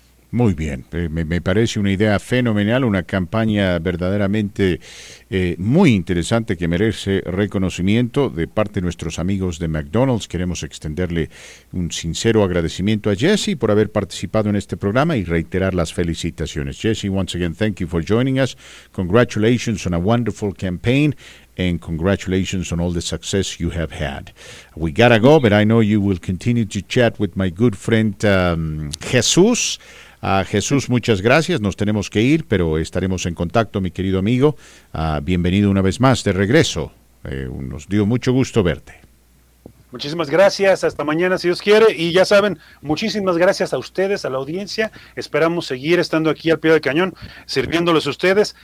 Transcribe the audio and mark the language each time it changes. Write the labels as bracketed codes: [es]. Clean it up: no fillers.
[es] Muy bien, me parece una idea fenomenal, una campaña verdaderamente muy interesante que merece reconocimiento de parte de nuestros amigos de McDonald's. Queremos extenderle un sincero agradecimiento a Jesse por haber participado en este programa y reiterar las felicitaciones. [en] Jesse, once again, thank you for joining us. Congratulations on a wonderful campaign and congratulations on all the success you have had. We gotta go, but I know you will continue to chat with my good friend Jesús. [es] Jesús, muchas gracias. Nos tenemos que ir, pero estaremos en contacto, mi querido amigo. Bienvenido una vez más de regreso. Nos dio mucho gusto verte. Muchísimas gracias. Hasta mañana, si Dios quiere. Y ya saben, muchísimas gracias a ustedes, a la audiencia. Esperamos seguir estando aquí al pie del cañón, sirviéndoles a ustedes.